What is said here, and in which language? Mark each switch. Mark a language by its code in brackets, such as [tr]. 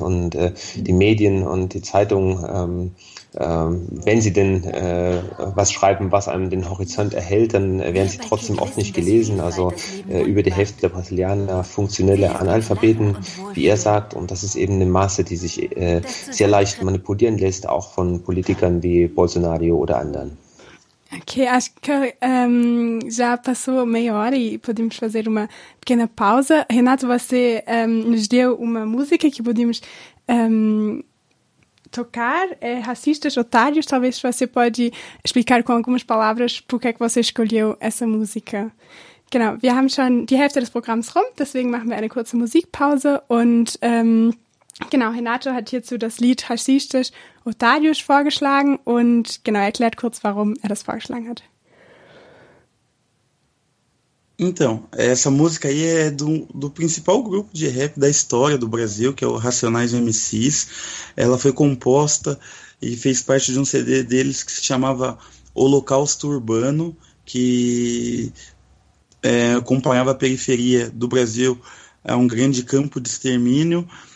[de] Und die Medien und die Zeitungen, wenn sie denn was schreiben, was einem den Horizont erhält, dann werden sie trotzdem oft nicht gelesen. Also über die Hälfte der Brasilianer funktionelle Analphabeten, wie er sagt. Und das ist eben eine Masse, die sich sehr leicht manipulieren lässt, auch von Politikern wie Bolsonaro oder anderen. [pt] Okay, acho que já passou meia hora e podemos fazer uma pequena pausa. Renato, você nos deu uma música que podemos tocar. É Racistas Otários. Talvez você pode explicar com algumas palavras por que é que você escolheu essa música. [de] Genau, wir haben schon die Hälfte des Programms rum, deswegen machen wir eine kurze Musikpause. Und genau, Renato hat hierzu das Lied Racistas Otários vorgeschlagen und genau erklärt kurz, warum das vorgeschlagen hat. [pt] Então, essa música aí é do principal grupo de rap da história do Brasil, que é o Racionais MCs. Ela foi composta e fez parte de um CD deles que se chamava Holocausto Urbano, que acompanhava a periferia do Brasil, é um grande campo de extermínio.